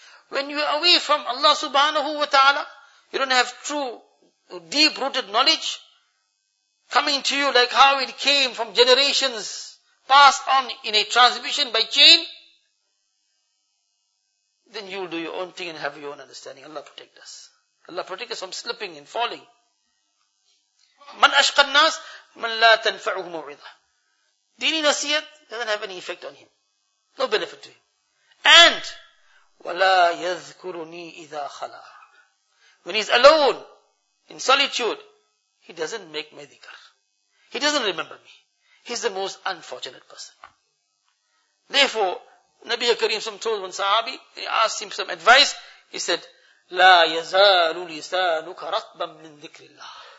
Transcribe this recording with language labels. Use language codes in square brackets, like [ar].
[en] When you're away from Allah subhanahu wa ta'ala, you don't have true, deep-rooted knowledge coming to you like how it came from generations passed on in a transmission by chain, then you'll do your own thing and have your own understanding. Allah protect us. Allah protect us from slipping and falling. [ar] Man ashqa an-nas, man la tanfa'uhu maw'idha. [en] Dini nasiyat doesn't have any effect on him. No benefit to him. [ar] And, وَلَا يَذْكُرُنِي إِذَا خَلَىٰ. [en] When he's alone, in solitude, he doesn't make my dhikr. He doesn't remember me. He's the most unfortunate person. Therefore, Nabi Kareem some told one sahabi, he asked him some advice, he said, [ar] لَا يَزَالُ لِسَانُكَ رَطْبًا مِّن ذِكْرِ اللَّهِ.